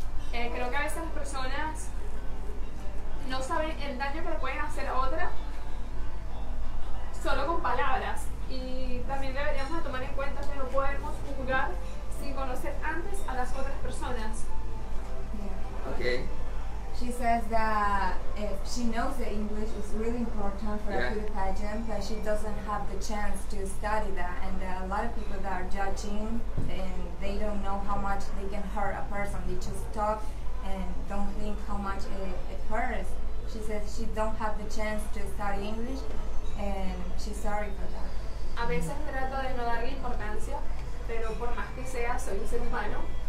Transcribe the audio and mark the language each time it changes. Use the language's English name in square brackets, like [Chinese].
[Spanish] Creo que a veces las personas no saben el daño que le pueden hacer a otra solo con palabras. Y también deberíamos tomar en cuenta que no podemos juzgar sin conocer antes a las otras personas. [English] She says that she knows the English is really important for a beauty pageant, but she doesn't have the chance to study that. And there are a lot of people that are judging, and they don't know how much they can hurt a person. They just talk and don't think how much it hurts. She says she don't have the chance to study English, and she's sorry for that. [Spanish] A veces trato de no darle importancia, pero por más que sea, soy un ser humano.